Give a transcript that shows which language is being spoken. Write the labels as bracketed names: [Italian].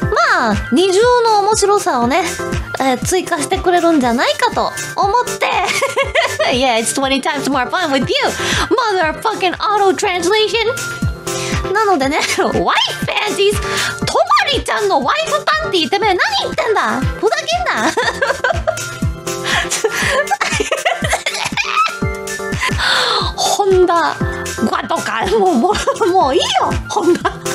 [Japanese] まあ二重の面白さをね、追加してくれるんじゃないかと思って。 [English] Yeah, it's 20 times more fun with you, motherfucking auto translation. [Japanese] なのでね、ワイフパンティーズ、トマリちゃんのワイフパンティーてめえ何言ってんだ、ふざけんな。ホンダグワとか、もういいよホンダ。